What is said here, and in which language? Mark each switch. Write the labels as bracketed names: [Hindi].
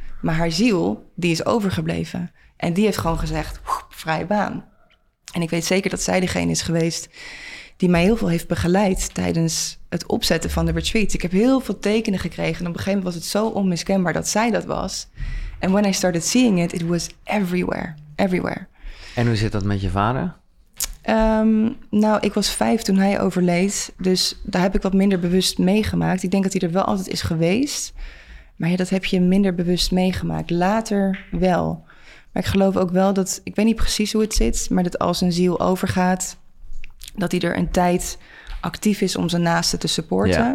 [Dutch] Maar haar ziel, die is overgebleven. En die heeft gewoon gezegd, vrije baan. En ik weet zeker dat zij degene is geweest die mij heel veel heeft begeleid tijdens het opzetten van de retreat. Ik heb heel veel tekenen gekregen. En op een gegeven moment was het zo onmiskenbaar dat zij dat was. [English] En when I started seeing it, it was everywhere. Everywhere. [Dutch] En hoe zit dat met je vader? Nou, ik was 5 toen hij overleed. Dus daar heb ik wat minder bewust meegemaakt. Ik denk dat hij er wel altijd is geweest. Maar ja, dat heb je minder bewust meegemaakt. Later wel. Maar ik geloof ook wel dat, ik weet niet precies hoe het zit, maar dat als een ziel overgaat, dat hij er een tijd actief is om zijn naasten te supporten.